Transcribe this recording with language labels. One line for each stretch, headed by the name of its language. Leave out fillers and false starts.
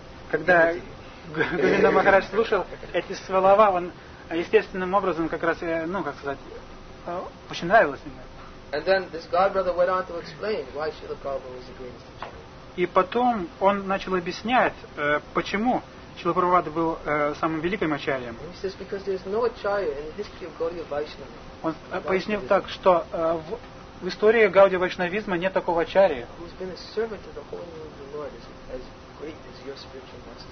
Russian: Когда Говинда Махарадж слушал эти слова, он естественным образом как раз, ну, как сказать, очень нравилось ему.
English: And then this god brother went on to explain why Srila Prabhupada was the greatest teacher.
Russian: И потом он начал объяснять, почему Шрила Прабхупада был самым великим ачарьем.
English: He says because there's no ачарья in the history of Gaudiya Vaishnava.
Russian: Он пояснил так, что в истории Гаудия Вайшнавизма нет такого ачарьи,
English: who's been a servant of the holy name of the Lord as great as your spiritual master.